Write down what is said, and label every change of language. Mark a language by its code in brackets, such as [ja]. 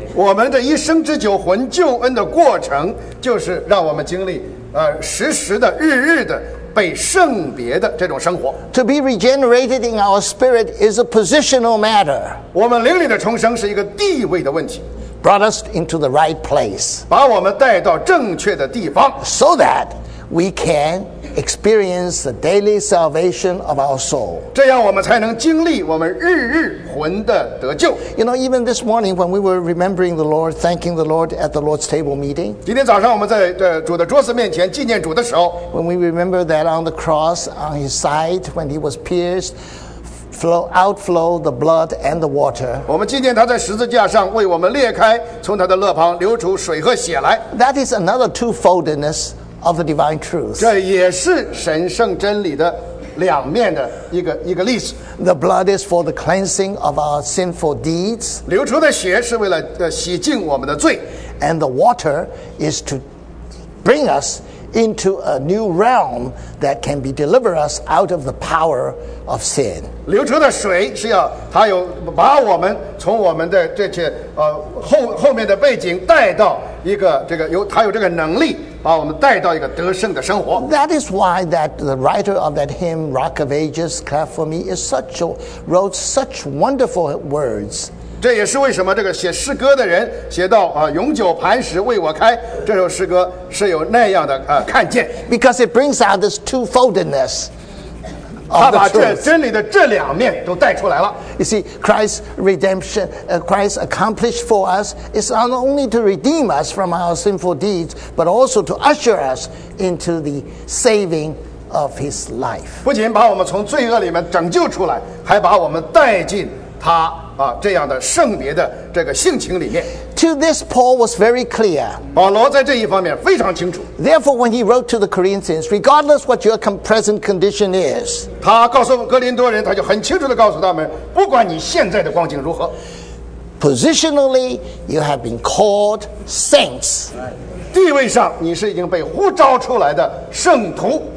[zh] 我们的一生之久魂救恩的过程，就是让我们经历时时的日日的被圣别的这种生活。 [en] To be regenerated in our spirit is a positional matter. [zh] 我们灵里的重生是一个地位的问题。 [en] Brought us into the right place. [zh] 把我们带到正确的地方。 [en] So that we can. Experience the daily salvation of our soul. [zh] 这样我们才能经历我们日日魂的得救。 [en] You know, even this morning when we were remembering the Lord, thanking the Lord at the Lord's table meeting. [zh] 今天早上我们在主的桌子面前纪念主的时候。 [en] When we remember that on the cross, on his side, when he was pierced, outflow the blood and the water. [zh] 我们纪念他在十字架上为我们裂开，从他的肋旁流出水和血来。 [en] That is another twofoldness. Of the divine truth. [zh] 这也是神圣真理的两面的一个例子。 [en] The blood is for the cleansing of our sinful deeds. [zh] 流出的血是为了洗净我们的罪。 [en] And the water is to bring us into a new realm that can be deliver us out of the power of sin. [zh] 流出的水是要它有把我们从我们的这些后面的背景带到一个这个有它有这个能力。把我们带到一个得胜的生活。 [en] That is why that the writer of that hymn, Rock of Ages, Clap for Me, is wrote such wonderful words. [zh] 这也是为什么这个写诗歌的人写到永久磐石为我开，这首诗歌是有那样的看见。 [en] Because it brings out this twofoldness. [zh] 他把这真理的这两面都带出来了。 [en] You see, Christ's redemption, Christ accomplished for us is not only to redeem us from our sinful deeds, but also to usher us into the saving of His life. [zh] 不仅把我们从罪恶里面拯救出来，还把我们带进他这样的圣别的这个性情里面。 [en] To this, Paul was very clear. [zh] 保罗在这一方面非常清楚。 [en] Therefore, when he wrote to the Corinthians, regardless what your present condition is, [zh] 他告诉哥林多人，他就很清楚地告诉他们，不管你现在的光景如何 [en] ，positionally you have been called saints. [zh] 地位上你是已经被呼召出来的圣徒。